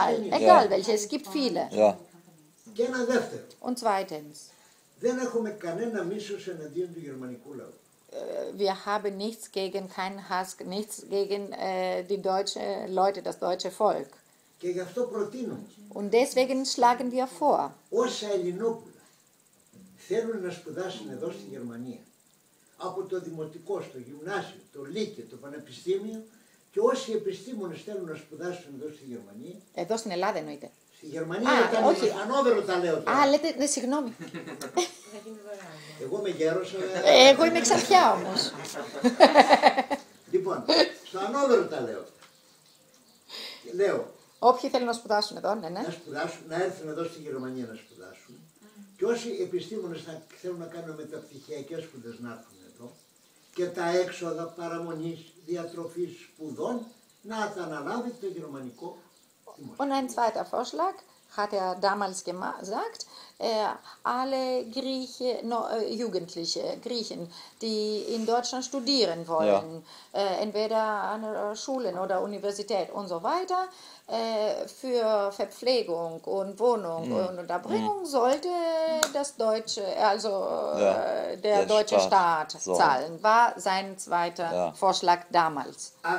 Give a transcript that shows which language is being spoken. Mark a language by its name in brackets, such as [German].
[German] Εγκάλ, welches gibt viele. [Greek] Και ένα δεύτερο. [German] Und zweitens. [Greek] Δεν έχουμε κανένα μίσος εναντίον του γερμανικού λαού. [German] Wir haben nichts gegen, keinen Hass, nichts gegen die deutsche Leute, das deutsche Volk. [Greek] Και γι' αυτό προτείνουμε. [German] Und deswegen schlagen wir vor. [Greek] Όσα Ελληνόπουλα θέλουν να σπουδάσουν εδώ στη Γερμανία, από το δημοτικό, στο γυμνάσιο, το λύκειο, το πανεπιστήμιο, και όσοι επιστήμονες θέλουν να σπουδάσουν εδώ στη Γερμανία. Εδώ στην Ελλάδα εννοείται. Στη Γερμανία, όχι, ανώδερο τα λέω τώρα. Α, λέτε, ναι, συγγνώμη. Εγώ είμαι γέρος. Εγώ είμαι εξαρτιά όμως. Λοιπόν, στο ανώδερο τα λέω. Λέω. Όποιοι θέλουν να σπουδάσουν εδώ, ναι, ναι. Να σπουδάσουν, να έρθουν εδώ στη Γερμανία να σπουδάσουν. Και όσοι επιστήμονες θα θέλουν να κάνουν μεταπτυχιακές σπουδές να έρθουν εδώ και τα έξοδα παραμονής, διατροφής, σπουδών να τα αναλάβει το γερμανικό δημόσιο. [German] Und ein zweiter Vorschlag hat damals gesagt, alle Grieche, Jugendliche, Griechen, die in Deutschland studieren wollen, entweder an Schulen oder Universität und so weiter, für Verpflegung und Wohnung und Unterbringung sollte das deutsche, also der deutsche Staat zahlen, war sein zweiter Vorschlag damals.